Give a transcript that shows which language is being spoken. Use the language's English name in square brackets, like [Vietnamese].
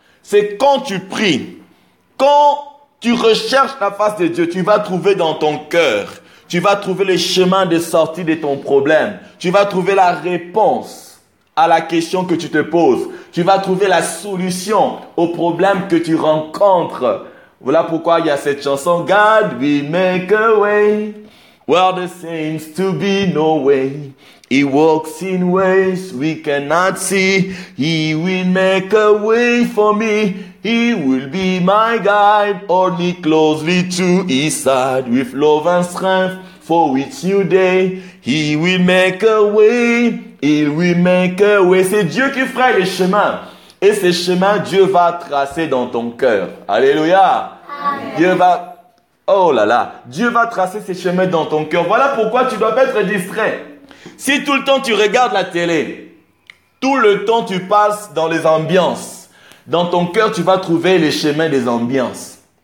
[French] C'est quand tu pries, quand tu recherches la face de Dieu, tu vas trouver dans ton cœur, tu vas trouver le chemin de sortie de ton problème. Tu vas trouver la réponse à la question que tu te poses. Tu vas trouver la solution au problème que tu rencontres. Voilà pourquoi il y a cette chanson. [English] God, we make a way where there seems to be no way. He walks in ways we cannot see. He will make a way for me. He will be my guide. Hold me closely to his side. With love and strength for each new day. He will make a way. He will make a way. [French] C'est Dieu qui fera les chemins. Et ces chemins, Dieu va tracer dans ton cœur. Alléluia. Amen. Dieu va... Oh là là. Dieu va tracer ces chemins dans ton cœur. Voilà pourquoi tu dois être distrait. Si tout le temps tu regardes la télé, tout le temps tu passes dans les ambiances, dans ton cœur tu vas trouver les chemins des ambiances.